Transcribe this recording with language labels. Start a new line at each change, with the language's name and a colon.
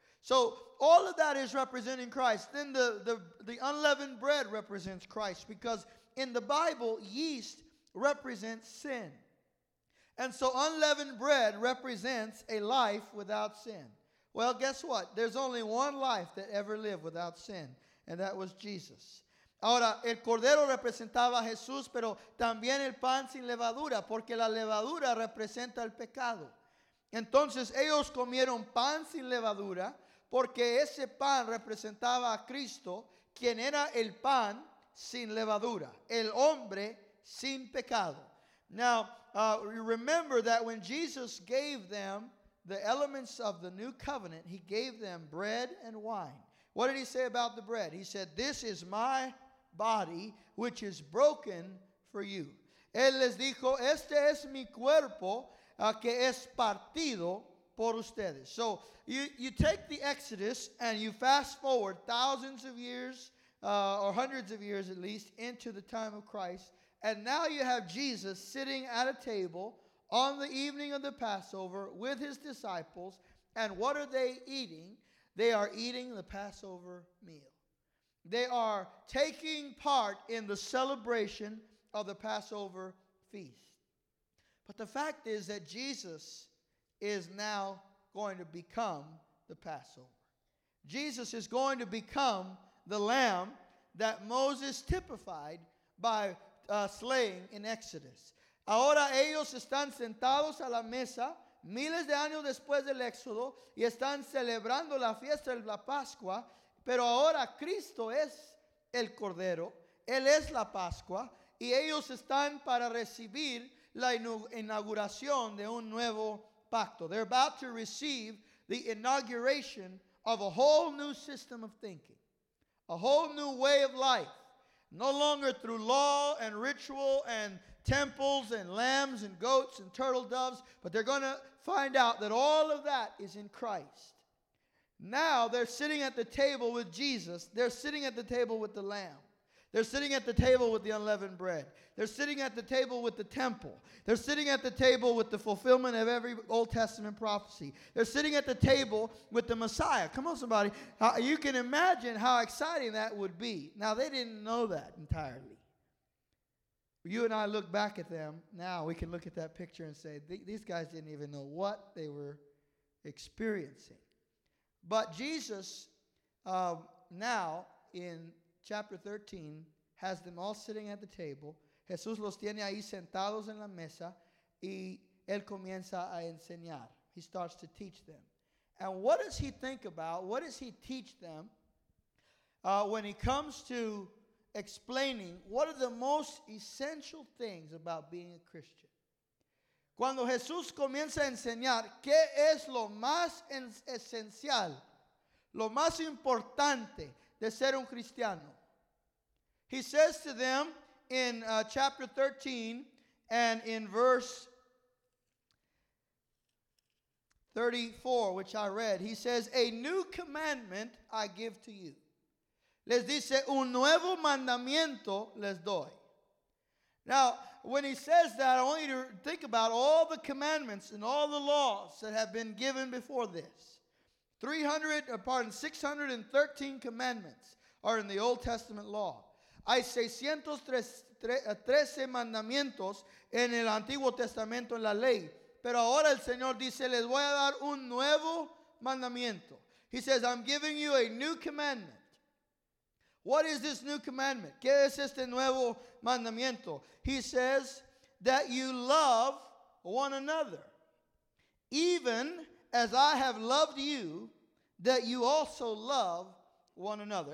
English: So all of that is representing Christ. Then the unleavened bread represents Christ, because in the Bible, yeast represents sin. And so unleavened bread represents a life without sin. Well, guess what? There's only one life that ever lived without sin, and that was Jesus.
Spanish: Ahora, el cordero representaba a Jesús, pero también el pan sin levadura, porque la levadura representa el pecado. Entonces ellos comieron pan sin levadura, porque ese pan representaba a Cristo, quien era el pan sin levadura, el hombre sin pecado.
English: Now, you remember that when Jesus gave them the elements of the new covenant, he gave them bread and wine. What did he say about the bread? He said, this is my body, which is broken for you.
Spanish: Él les dijo, este es mi cuerpo, que es partido por ustedes.
English: So you take the Exodus and you fast forward thousands of years or hundreds of years at least into the time of Christ, and now you have Jesus sitting at a table on the evening of the Passover with his disciples. And what are they eating? They are eating the Passover meal. They are taking part in the celebration of the Passover feast. But the fact is that Jesus is now going to become the Passover. Jesus is going to become the lamb that Moses typified by slaying in Exodus.
Spanish: Ahora ellos están sentados a la mesa miles de años después del Éxodo y están celebrando la fiesta de la Pascua. Pero ahora Cristo es el Cordero, Él es la Pascua, y ellos están para recibir la inauguración de un nuevo pacto.
English: They're about to receive the inauguration of a whole new system of thinking, a whole new way of life, no longer through law and ritual and temples and lambs and goats and turtle doves, but they're going to find out that all of that is in Christ. Now they're sitting at the table with Jesus. They're sitting at the table with the Lamb. They're sitting at the table with the unleavened bread. They're sitting at the table with the temple. They're sitting at the table with the fulfillment of every Old Testament prophecy. They're sitting at the table with the Messiah. Come on, somebody. You can imagine how exciting that would be. Now, they didn't know that entirely. You and I look back at them. Now, we can look at that picture and say, these guys didn't even know what they were experiencing. But Jesus, now, in chapter 13, has them all sitting at the table.
Spanish: Jesús los tiene ahí sentados en la mesa, y él comienza a enseñar.
English: He starts to teach them. And what does he think about? What does he teach them when he comes to explaining what are the most essential things about being a Christian?
Spanish: Cuando Jesús comienza a enseñar, ¿qué es lo más esencial, lo más importante de ser un cristiano?
English: He says to them in chapter 13 and in verse 34, which I read, he says, a new commandment I give to you.
Spanish: Les dice, un nuevo mandamiento les doy.
English: Now, when he says that, I want you to think about all the commandments and all the laws that have been given before this. 613 commandments are in the Old Testament law.
Spanish: Hay 613 mandamientos en el Antiguo Testamento en la ley. Pero ahora el Señor dice, les voy a dar un nuevo mandamiento.
English: He says, I'm giving you a new commandment. What is this new commandment?
Spanish: ¿Qué es este nuevo mandamiento?
English: He says that you love one another. Even as I have loved you, that you also love one another.